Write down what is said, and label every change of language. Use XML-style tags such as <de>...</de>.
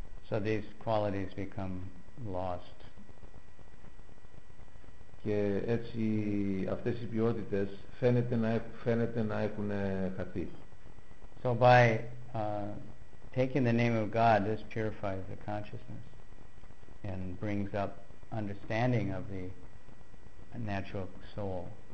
<en>So these qualities become lost.</en> <el>Και έτσι αυτές οι ποιότητες φαίνεται να έχουν χαθεί.</el> <en>So by taking the name of God, this purifies the consciousness and brings up understanding of the natural soul.</en>